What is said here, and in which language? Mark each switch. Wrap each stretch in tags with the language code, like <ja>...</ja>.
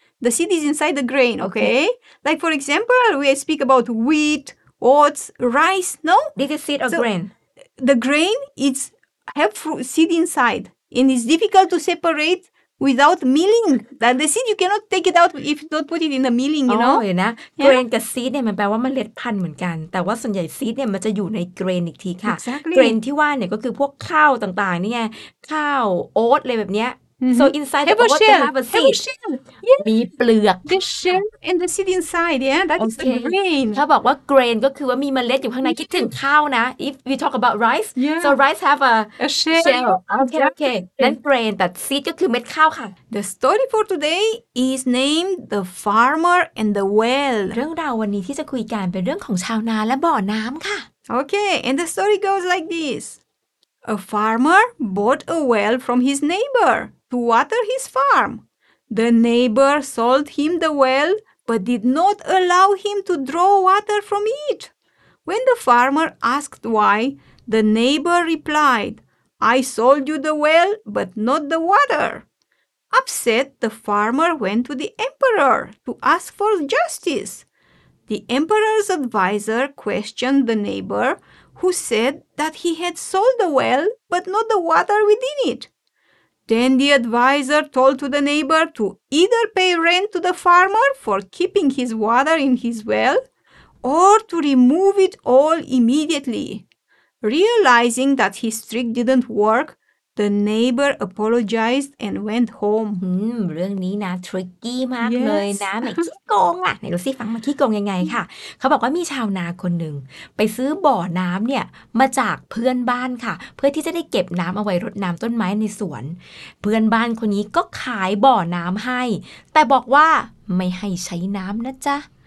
<en>The seed is inside the grain, okay? Like, for example, we speak about wheat, oats, rice, no? Is it seed or so grain? The grain, it's have seed inside, and it's difficult to separate without milling. That the seed, you cannot take it out if you don't put it in the milling, you know?</en> <th>เห็นนะ grain กับ seed เนี่ยมันแปลว่าเมล็ดพันธุ์เหมือนกันแต่ว่าส่วนใหญ่ seed เนี่ยมันจะอยู่ใน grain อีกทีค่ะ grain ที่ว่าเนี่ยก็คือพวกข้าวต่างๆนี่ไงข้าวโอ๊ตอะไรแบบเนี้ย</th> <en>so inside have the shell have a seed</en> <th>มีเปลือก</th> <en>the shell and the seed inside yeah that is the grain</en> <th>ถ้าบอกว่า grain ก็คือว่ามีเมล็ดอยู่ข้างในคิดถึงข้าวนะ</th> <en>if we talk about rice so rice have a shell okay then grain that seed</en> <th>ก็คือเม็ดข้าวค่ะ</th> <en>the story for today is named the farmer and the well</en> <th>เรื่องราววันนี้ที่จะคุยกันเป็นเรื่องของชาวนาและบ่อน้ำค่ะ</th> <en>okay and the story goes like thisA farmer bought a well from his neighbor to water his farm. The neighbor sold him the well, but did not allow him to draw water from it. When the farmer asked why, the neighbor replied, "I sold you the well, but not the water." Upset, the farmer went to the emperor to ask for justice. The emperor's advisor questioned the neighbor,who said that he had sold the well, but not the water within it. Then the advisor told to the neighbor to either pay rent to the farmer for keeping his water in his well, or to remove it all immediately. Realizing that his trick didn't work,The neighbor apologized and went home.</en> <th>เรื่องนี้นะ tricky มากเลยนะแม่ขี้โกงอ่ะไหนดูซิฟังมาขี้โกงยังไงค่ะเขาบอกว่ามีชาวนาคนหนึ่งไปซื้อบ่อน้ำเนี่ยมาจากเพื่อนบ้านค่ะเพื่อที่จะได้เก็บน้ำเอาไว้รดน้ำต้นไม้ในสวนเพื่อนบ้านคนนี้ก็ขายบ่อน้ำให้แต่บอกว่าไม่ให้ใช้น้ำนะจ๊ะ</th>